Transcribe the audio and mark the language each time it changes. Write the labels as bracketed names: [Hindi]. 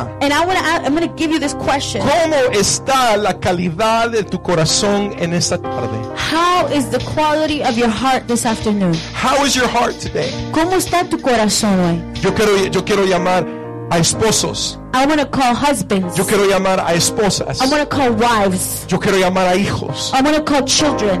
[English] Hearts. And I wanna, I'm going to give you this question. [Spanish] ¿Cómo está la calidad de tu corazón en esta tarde? [English] How is the quality of your heart this afternoon? How is your heart today? [Spanish] ¿Cómo está tu corazón hoy? Yo quiero llamar a esposos. [English] I want to call husbands. [Spanish] Yo quiero llamar a esposas. [English] I want to call wives. [Spanish] Yo quiero llamar a hijos. [English] I want to call children.